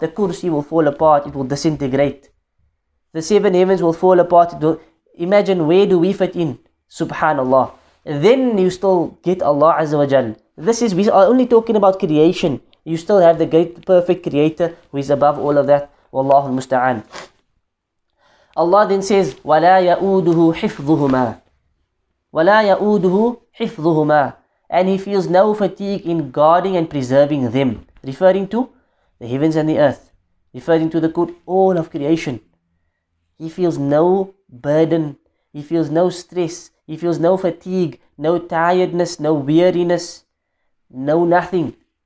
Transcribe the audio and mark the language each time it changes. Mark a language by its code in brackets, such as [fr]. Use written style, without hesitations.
[en] The kursi will fall apart. It will disintegrate. The seven heavens will fall apart. Imagine, where do we fit in? Subhanallah. then you still get Allah Azza wa Jal. This is, we are only talking about creation. You still have the great, perfect creator who is above all of that. Wallahu al-musta'an. Allah then says, [ar] وَلَا يَؤُودُهُ حِفْظُهُمَا وَلَا يَؤُودُهُ حِفْظُهُمَا. [en] And he feels no fatigue in guarding and preserving them. Referring to the heavens and the earth. Referring to the good, all of creation. He feels no burden. He feels no stress. He feels no fatigue, no tiredness, no weariness, no nothing.